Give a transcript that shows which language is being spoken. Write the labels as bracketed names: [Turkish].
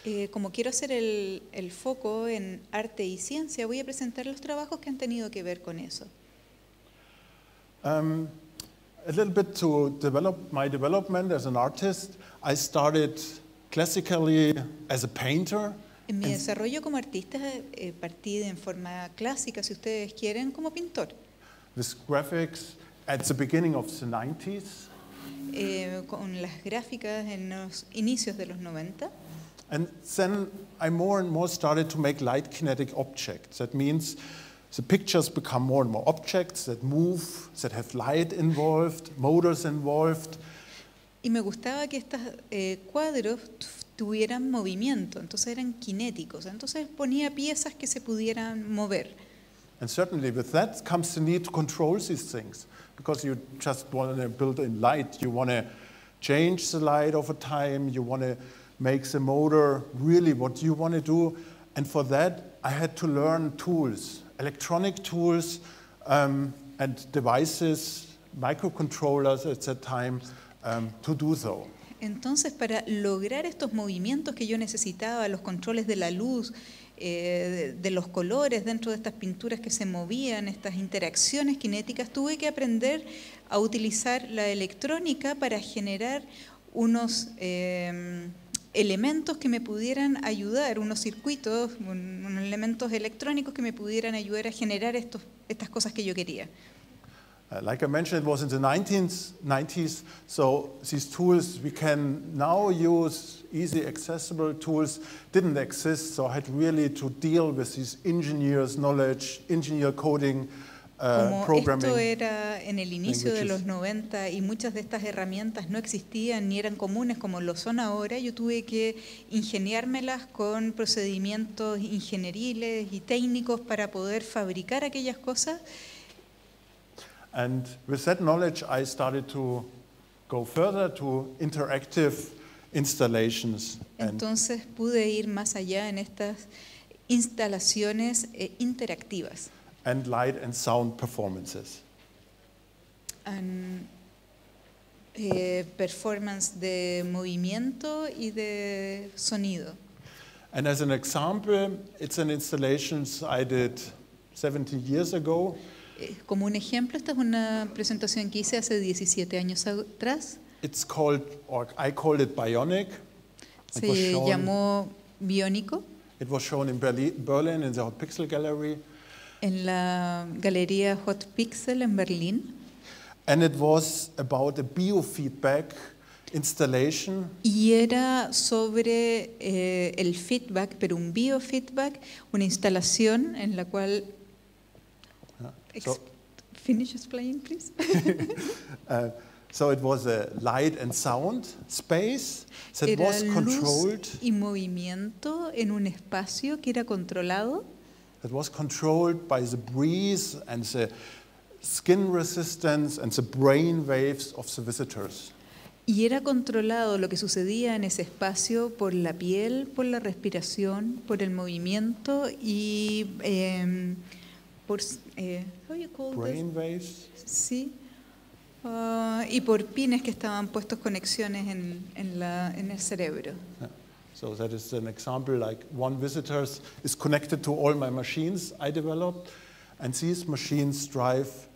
[Spanish] Como quiero hacer el foco en arte y ciencia, voy a presentar los trabajos que han tenido que ver con eso. [English] A little bit to develop my development as an artist. I started classically as a painter. [Spanish] En mi desarrollo como artista partí en forma clásica, si ustedes quieren, como pintor. [English] With graphics at the beginning of the 90s. [Spanish] Con las gráficas en los inicios de los 90. [English] And then I more and more started to make light kinetic objects. That means the pictures become more and more objects that move, that have light involved, motors involved. [Spanish] Y me gustaba que estos cuadros tuvieran movimiento, entonces eran kinéticos. Entonces ponía piezas que se pudieran mover. [English] And certainly with that comes the need to control these things, because you just want to build in light. You want to change the light over time. You want to make the motor really what you want to do. And for that, I had to learn tools, electronic tools and devices, microcontrollers at that time, to do so. [Spanish] Entonces, para lograr estos movimientos que yo necesitaba, los controles de la luz, de los colores dentro de estas pinturas que se movían, estas interacciones kinéticas, tuve que aprender a utilizar la electrónica para generar unos elementos que me pudieran ayudar, unos circuitos, unos elementos electrónicos que me pudieran ayudar a generar estas cosas que yo quería. [English] Like I mentioned, it was in the 1990s, so these tools we can now use, easy accessible tools, didn't exist, so I had really to deal with these engineer's knowledge, engineer coding, programming. [Spanish] Como esto era en el inicio de los 90 y muchas de estas herramientas no existían ni eran comunes como lo son ahora, yo tuve que ingeniármelas con procedimientos ingenieriles y técnicos para poder fabricar aquellas cosas. [English] And with that knowledge, I started to go further to interactive installations. [Spanish] Entonces pude ir más allá en estas instalaciones interactivas. [English] And light and sound performances. [Spanish] And performance de movimiento y de sonido. [English] And as an example, it's an installation I did 17 years ago. [Spanish] Como un ejemplo, esta es una presentación que hice hace 17 años atrás. [English] It's called, or I called it Bionic. [Spanish] Se llamó Biónico. [English] It was shown in Berlin in the Hot Pixel Gallery. [Spanish] En la galería Hot Pixel en Berlín. [English] And it was about a biofeedback installation. [Spanish] Y era sobre el feedback, pero un biofeedback, una instalación en la cual. [English] Finish explaining, please. So it was a light and sound space that [Spanish] era [English] was controlled. [Spanish] Luz y movimiento en un espacio que era controlado. [English] It was controlled by the breeze and the skin resistance and the brain waves of the visitors. [Spanish] Y era controlado lo que sucedía en ese espacio por la piel, por la respiración, por el movimiento y por [English] how you call brain this? Waves. [Spanish] Sí. Y por pines que estaban puestos conexiones en el cerebro. [English] So that is an example, like one visitor is connected to all my machines I developed, and these machines drive,